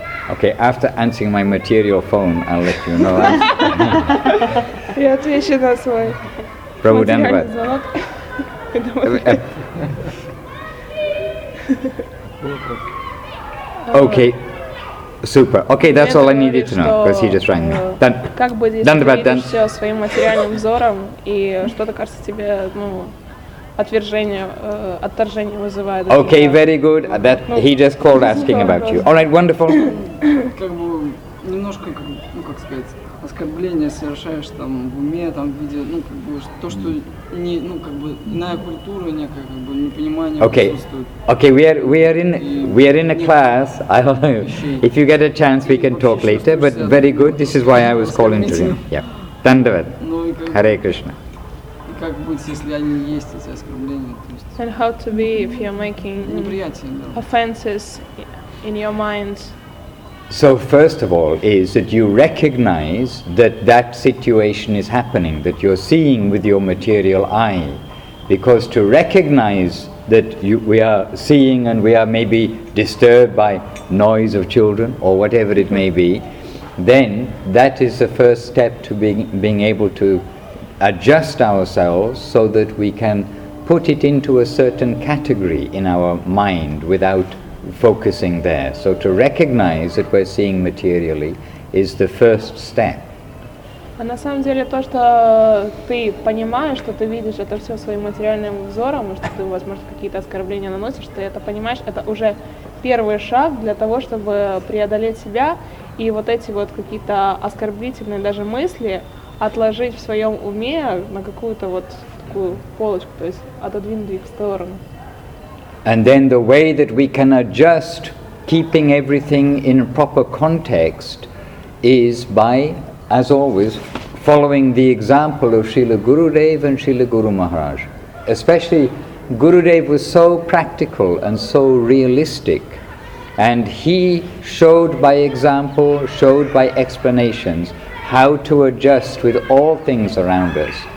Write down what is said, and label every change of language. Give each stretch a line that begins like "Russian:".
English: Okay, after answering my material phone, I'll let you know.
Russian: Я отвечу на свой. Проводим вас.
English: Okay, super. Okay, that's all I needed to know, because he just rang me.
Russian: Как будешь видеть все своим материальным взором и что-то кажется тебе, ну, отторжение вызывает.
English: Okay, very good. That he just called asking about you. All right, wonderful.
Russian: Как бы немножко, ну как сказать, оскорбление совершаешь там в уме, там в виде, ну как бы то, что не, ну как бы иная культура, некое как бы непонимание.
English: Okay. Okay, we are in a class. I don't know. If you get a chance, we can talk later. But very good. This is why I was calling to you. Yeah. Dandavad. Hare Krishna.
Russian: Как будет, если они есть, эти оскорбления? То есть,
English: and how to be if you're making offenses in your mind? So first of all is that you recognize that that situation is happening, that you're seeing with your material eye. Because to recognize that we are seeing and we are maybe disturbed by noise of children or whatever it may be, then that is the first step to being able to adjust ourselves so that we can put it into a certain category in our mind without focusing there. So to recognize that we're seeing materially is the first step.
Russian: А на самом деле то, что ты понимаешь, что ты видишь это все своим материальным взором, и что ты, возможно, какие-то оскорбления наносишь, ты это понимаешь, это уже первый шаг для того, чтобы преодолеть себя и вот эти вот какие-то оскорбительные даже мысли отложить в своем уме на какую-то вот такую полочку, то есть отодвинуть их в сторону.
English: And then the way that we can adjust keeping everything in proper context is by, as always, following the example of Srila Gurudev and Srila Guru Maharaj. Especially, Gurudev was so practical and so realistic, and he showed by example, showed by explanations, how to adjust with all things around us.